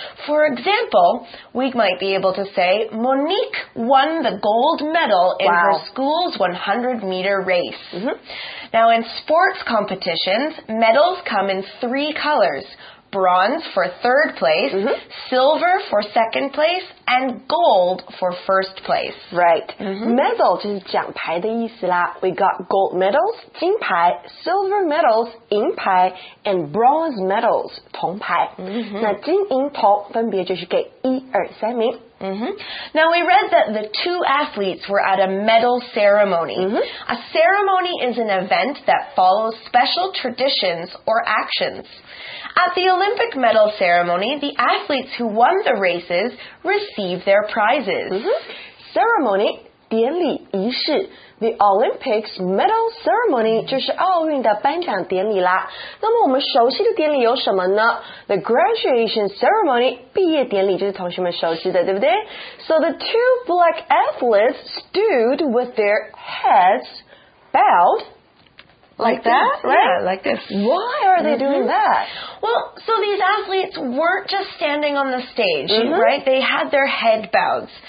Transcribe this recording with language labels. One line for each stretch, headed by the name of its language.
English: For example, we might be able to say, Monique won the gold medal in her school's 100-meter race. Mm-hmm. Now, in sports competitions, medals come in three colors: bronze for third place, silver for second place, and gold for first place. Right.
Chinese: Medal 就是奖牌的意思啦。
English: We got gold medals, 金牌, silver medals, 银牌, and bronze medals, 铜牌。
Chinese: 那金银铜分别就是给一二三名。
English: Now, we read that the two athletes were at a medal ceremony. A ceremony is an event that follows special traditions or actions. At the Olympic medal ceremony, the athletes who won the races receive their prizes.
Chinese: Ceremony, 典礼仪式。 The Olympics Medal Ceremony 就是奥运的颁奖典礼啦。那么我们熟悉的典礼有什么呢？The Graduation Ceremony 毕业典礼就是同学们熟悉的，对不对？
English: So the two black athletes stood with their heads bowed like that, right? Yeah, like this. Why are they doing that? Well, so these athletes weren't just standing on the stage, right? They had their heads bowed.